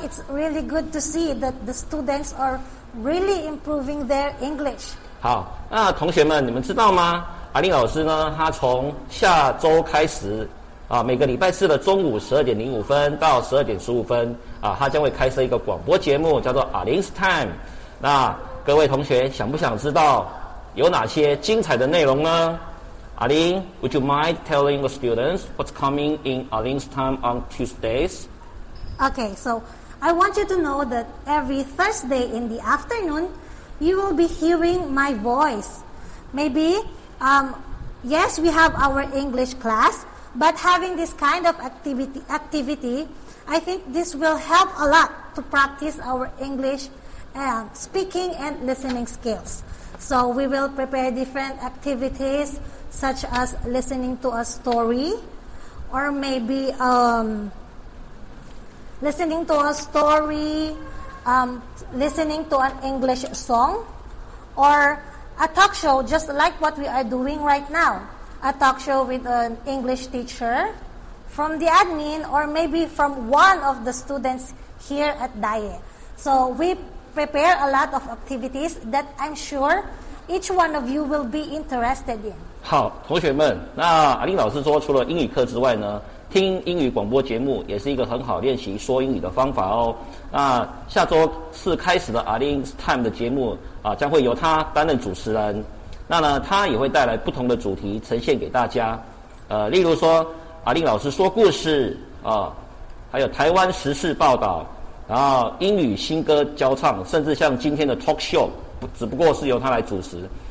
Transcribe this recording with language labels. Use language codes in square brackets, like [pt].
[en] It's really good to see that the students are really improving their English. [zh] 好，那同学们，你们知道吗？阿丽老师呢，他从下周开始啊，每个礼拜四的中午12:05到12:15啊，他将会开设一个广播节目，叫做阿林's Time。那各位同学，想不想知道有哪些精彩的内容呢？ [en] Arlene, would you mind telling the students what's coming in Arlene's Time on Tuesdays? Okay, so I want you to know that every Thursday in the afternoon, you will be hearing my voice. Maybe, yes, we have our English class, but having this kind of activity, I think this will help a lot to practice our English speaking and listening skills. So we will prepare different activities,such as listening to a story, or maybe listening to an English song, or a talk show, just like what we are doing right now, a talk show with an English teacher from the admin, or maybe from one of the students here at DAE. So we prepare a lot of activities that I'm sure each one of you will be interested in. [zh] 好，同学们，那阿丽老师说，除了英语课之外呢，听英语广播节目也是一个很好练习说英语的方法哦。那下周四开始的阿丽's Time 的节目啊，将会由他担任主持人。那呢，他也会带来不同的主题呈现给大家。例如说阿丽老师说故事啊，还有台湾时事报道，然后英语新歌交唱，甚至像今天的 Talk Show， 只不过是由他来主持。